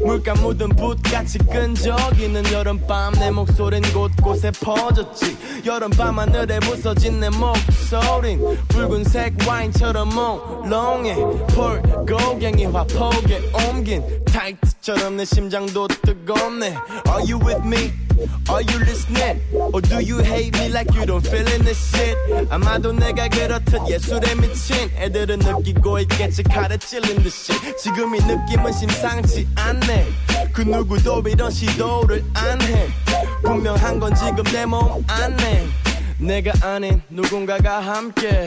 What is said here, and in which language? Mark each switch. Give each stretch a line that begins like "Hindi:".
Korean: 물감 묻은 붓같이 끈적이는 여름밤 내 목소린 곳곳에 퍼졌지. 여름밤 하늘에 부서진 내 목소린 붉은색 와인처럼 몽롱해. 불고갱이 화폭에 옮긴 타이트처럼 내 심장도 뜨겁네.
English: Are you with me? Are you listening? Or do you hate me like you don't feel in this shit?
Korean: 아마도 내가 그렇듯 예술에 미친 애들은 느끼고 있겠지. 칼에 찔린 듯이 지금 이 느낌은 심상치 않네. 그 누구도 이런 시도를 안 해. 분명한 건 지금 내 몸 안에 내가 아닌 누군가가 함께.